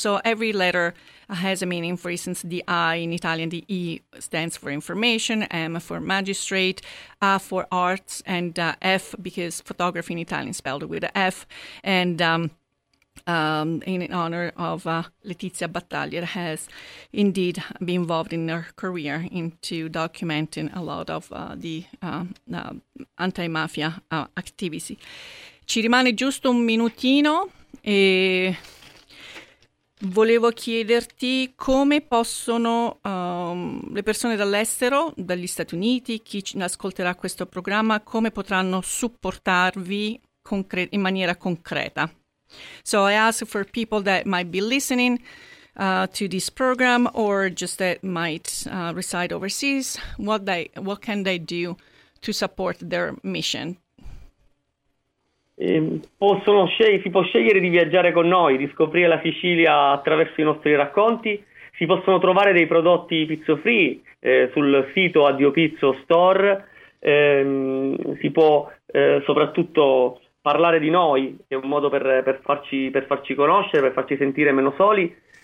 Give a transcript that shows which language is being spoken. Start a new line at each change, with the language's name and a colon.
English: So every letter has a meaning. For instance, the I in Italian, the E stands for information, M for magistrate, A for arts, and F because photography in Italian is spelled with F, and in honor of Letizia Battaglia, has indeed been involved in her career into documenting a lot of the anti-mafia activity.
Italian: Ci rimane giusto un minutino e volevo chiederti come possono le persone dall'estero, dagli Stati Uniti, chi ascolterà questo programma, come potranno supportarvi in maniera concreta.
English: So I ask for people that might be listening to this program or just that might reside overseas, what can they do to support their mission?
Italian: Si può scegliere di viaggiare con noi, di scoprire la Sicilia attraverso i nostri racconti. Si possono trovare dei prodotti Pizzo Free sul sito Addio Pizzo Store. Si può soprattutto parlare di noi, che è un modo per farci conoscere, per farci sentire meno soli.